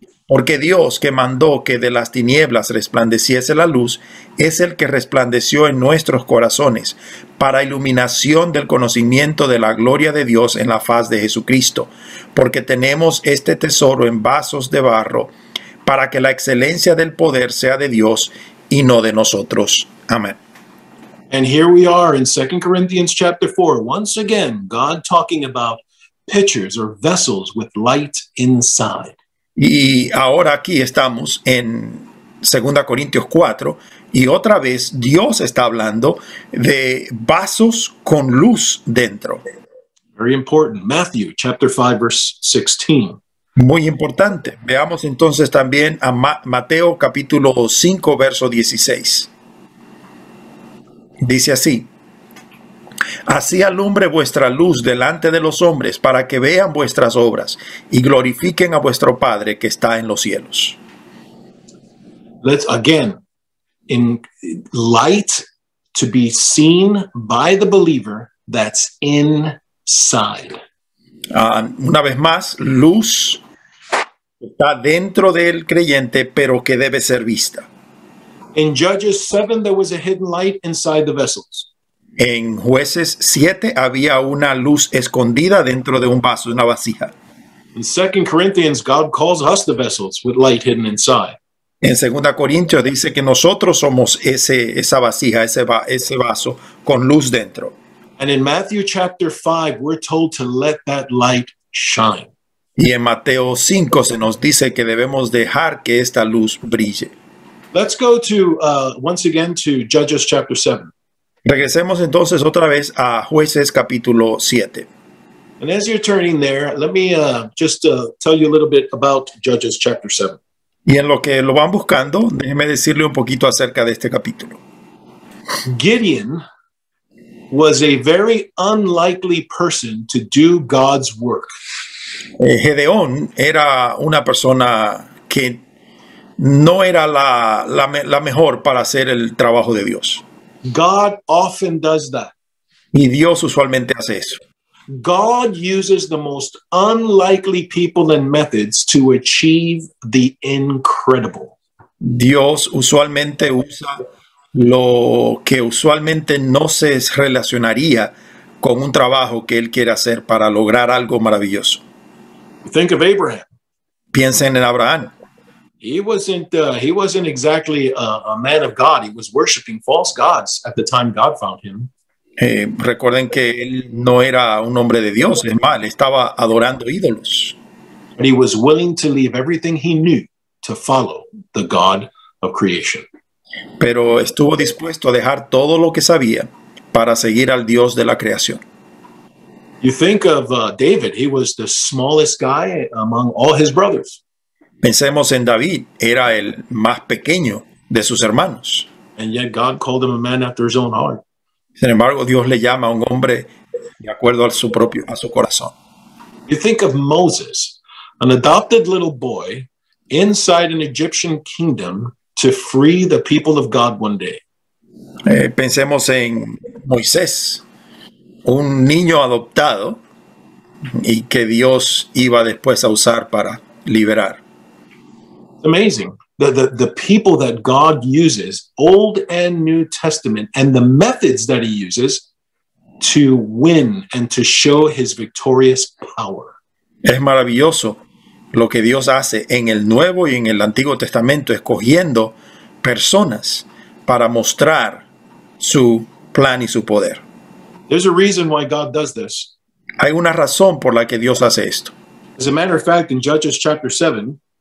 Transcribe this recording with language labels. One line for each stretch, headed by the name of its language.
Spanish: Porque Dios, que mandó que de las tinieblas resplandeciese la luz, es el que resplandeció en nuestros corazones para iluminación del conocimiento de la gloria de Dios en la faz de Jesucristo. Porque tenemos este tesoro en vasos de barro para que la excelencia del poder sea de Dios y no de nosotros. Amen.
English: And here we are in 2 Corinthians chapter 4, once again, God talking about pitchers or vessels with light inside.
Spanish: Y ahora aquí estamos en 2 Corintios 4, y otra vez Dios está hablando de vasos con luz dentro.
English: Very important. Matthew chapter 5, verse 16.
Spanish: Muy importante. Veamos entonces también a Mateo capítulo 5, verso 16. Dice así: así alumbre vuestra luz delante de los hombres para que vean vuestras obras y glorifiquen a vuestro Padre que está en los cielos.
English: Let's again in light to be seen by the believer that's inside.
Spanish: Una vez más, luz está dentro del creyente, pero que debe ser vista.
English: In Judges 7, there was a hidden light inside the vessels.
Spanish: En Jueces 7, había una luz escondida dentro de un vaso, una vasija.
English: In 2 Corinthians, God calls us the vessels with light hidden inside.
Spanish: En 2 Corintios dice que nosotros somos esa vasija, ese vaso con luz dentro.
English: And in Matthew chapter 5, we're told to let that light shine.
Spanish: Y en Mateo 5 se nos dice que debemos dejar que esta luz brille.
English: Let's go to, once again, to Judges chapter 7.
Spanish: Regresemos entonces otra vez a Jueces capítulo 7.
English: And as you're turning there, let me tell you a little bit about Judges chapter 7.
Spanish: Y en lo que lo van buscando, déjeme decirle un poquito acerca de este capítulo.
English: Gideon was a very unlikely person to do God's work.
Spanish: Gedeón era una persona que no era la mejor para hacer el trabajo de Dios.
English: God often does that.
Spanish: Y Dios usualmente hace eso.
English: God uses the most unlikely people and methods to achieve the incredible.
Spanish: Dios usualmente usa lo que usualmente no se relacionaría con un trabajo que él quiere hacer para lograr algo maravilloso.
English: Think of Abraham.
Spanish: Piensen en Abraham.
English: He wasn't exactly a man of God. He was worshiping false gods at the time God found him.
Spanish: Recuerden que él no era un hombre de Dios, es más, estaba adorando ídolos.
English: But he was willing to leave everything he knew to follow the God of creation.
Spanish: Pero estuvo dispuesto a dejar todo lo que sabía para seguir al Dios de la creación.
English: You think of David, he was the smallest guy among all his brothers.
Spanish: Pensemos en David, era el más pequeño de sus hermanos.
English: And yet God called him a man after his own heart.
Spanish: Sin embargo, Dios le llama a un hombre de acuerdo a su propio, a su corazón.
English: You think of Moses, an adopted little boy inside an Egyptian kingdom to free the people of God one day.
Spanish: Pensemos en Moisés, un niño adoptado y que Dios iba después a usar para liberar.
English: Amazing. The people that God uses, Old and New Testament, and the methods that he uses to win and to show his victorious power.
Spanish: Es maravilloso lo que Dios hace en el Nuevo y en el Antiguo Testamento, escogiendo personas para mostrar su plan y su poder.
English: There's a reason why God does this.
Spanish: Hay una razón por la que Dios hace esto.
English: As a matter of fact, in Judges chapter 7,